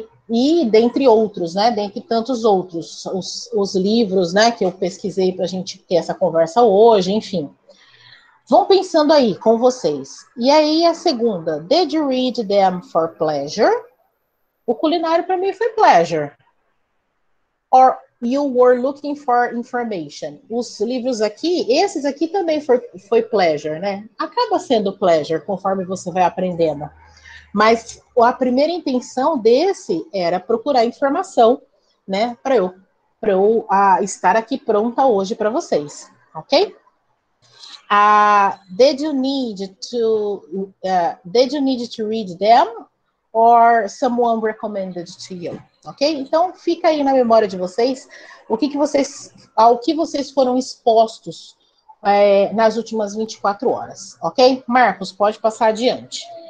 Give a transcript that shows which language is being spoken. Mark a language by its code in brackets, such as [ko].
[pt] E dentre outros, né? Dentre tantos outros, os livros, né, que eu pesquisei para a gente ter essa conversa hoje, enfim. Vão pensando aí com vocês. E aí a segunda, [en] did you read them for pleasure? [pt] O culinário para mim foi pleasure. [en] Or you were looking for information. [pt] Os livros aqui, esses aqui também foi pleasure, né? Acaba sendo pleasure conforme você vai aprendendo. Mas a primeira intenção desse era procurar informação, né? Para eu, estar aqui pronta hoje para vocês, ok? [en] Did you need to read them or someone recommended to you? Ok? [pt] Então, fica aí na memória de vocês ao que vocês foram expostos nas últimas 24 horas, ok? Marcos, pode passar adiante.